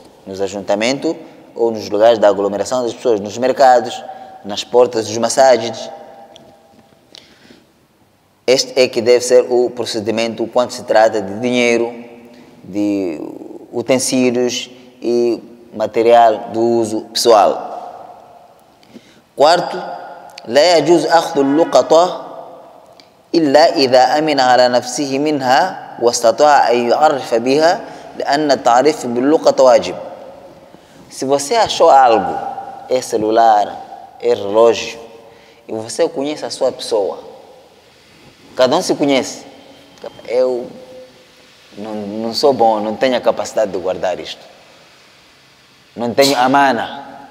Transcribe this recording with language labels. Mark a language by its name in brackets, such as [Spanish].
[Portuguese] Nos ajuntamentos ou nos lugares da aglomeração das pessoas, nos mercados, nas portas dos massagens. Este é que deve ser o procedimento quando se trata de dinheiro, de utensílios e material do uso pessoal. Quarto, [Arabic] لا يجوز أخذ اللقطة إلا إذا أمن على نفسه منها واستطاع أن يعرف بها لأن التعريف باللقطة واجب. [Portuguese] Se você achou algo, é celular, é relógio, e você conhece a sua pessoa, cada um se conhece, eu não sou bom, não tenho a capacidade de guardar isto, não tenho a mana.